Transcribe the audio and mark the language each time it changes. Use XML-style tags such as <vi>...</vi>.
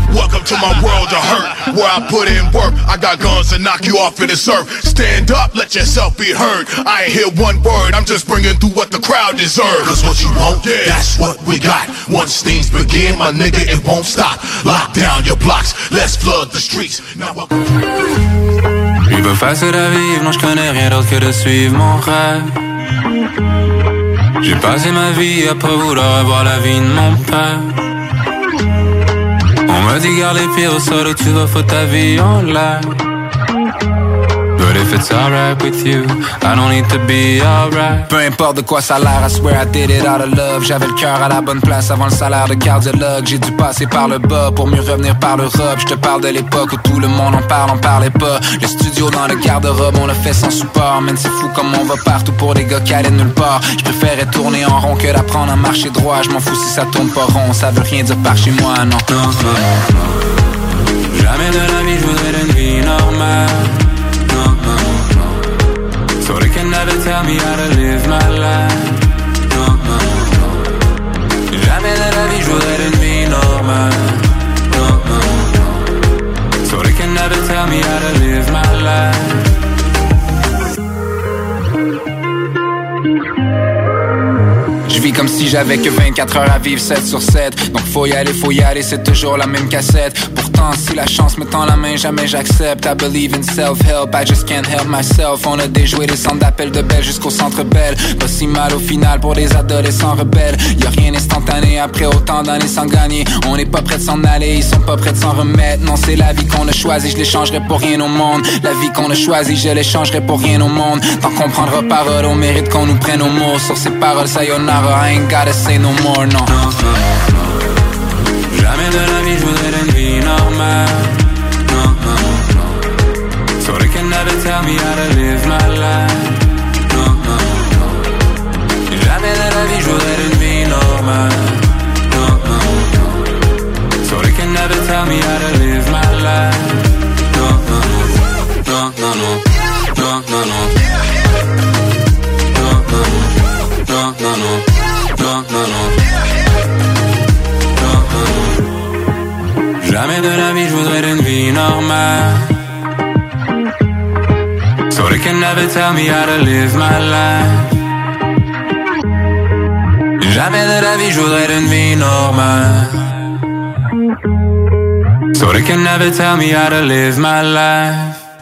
<en>Welcome to my world of hurt, where I put in work. I got guns to knock you off of the surf. Stand up, let yourself be heard. I ain't hear one word, I'm just bringing through what the crowd deserves. Cause what you want, yeah, that's what we got. Once things begin, my nigga, it won't stop. Lock down your blocks, let's flood the streets. Now welcome.</en> <fr>Je veux passer la vie, non, je connais rien d'autre que de suivre mon rêve. J'ai passé ma vie après vouloir avoir la vie de mon père. On m'a dit garde les pieds au sol où tu vas foutre ta vie en l'air. But if it's alright with you, I don't need to be alright. Peu importe de quoi ça a l'air,</fr> <en>I swear I did it out of love.</en> <fr>J'avais le cœur à la bonne place avant le salaire de cardiologue. J'ai dû passer par le bas pour mieux revenir par l'Europe. J'te parle de l'époque où tout le monde en parlait pas. Le studio dans le garde-robe, on l'a fait sans support. Même c'est fou comme on va partout pour des gars qui allaient nulle part. J'préférais tourner en rond que d'apprendre à marcher droit. J'm'en fous si ça tourne pas rond, ça veut rien dire par chez moi, non. Non, non, non. Jamais de la vie, j'voudrais d'une vie normale.</fr> <en>So they can never tell me how to live my life. No, no, no.</en> <fr>Jamais de la vie, je voudrais une vie normale.</fr> <en>No, no, no. So they can never tell me how to live my life.</en> <fr>Je vis comme si j'avais que 24 heures à vivre 7 sur 7. Donc faut y aller, c'est toujours la même cassette. Si la chance me tend la main, jamais j'accepte.</fr> <en>I believe in self-help, I just can't help myself.</en> <fr>On a déjoué les centres d'appel de Belle jusqu'au centre Belle. Pas si mal au final pour des adolescents rebelles. Y'a rien instantané après autant d'années sans gagner. On n'est pas prêts de s'en aller, ils sont pas prêts de s'en remettre. Non, c'est la vie qu'on a choisi, je l'échangerai pour rien au monde. La vie qu'on a choisi, je l'échangerai pour rien au monde. Tant qu'on prendra parole, on mérite qu'on nous prenne au mot. Sur ces paroles, sayonara,</fr> <en>I ain't got. gotta say no more, no. No, no, no.</en> <fr>Jamais de la vie je voudrais une vie normale.</fr> <en>No, no, no. Sorry, can never tell me how to live my life. No, no, no.</en> <fr>Jamais de la vie je voudrais une vie normale.</fr> <en>No, no, no. Sorry, can never tell me how to live my life. No, no, no. No, no, no. No, no, no.</en> <fr>Jamais de la vie, je voudrais une vie normale.</fr> <en>Sorry, can never tell me how to live my life.</en> <fr>Jamais de la vie, je voudrais une vie normale.</fr> <en>Sorry, can never tell me how to live my life.</en>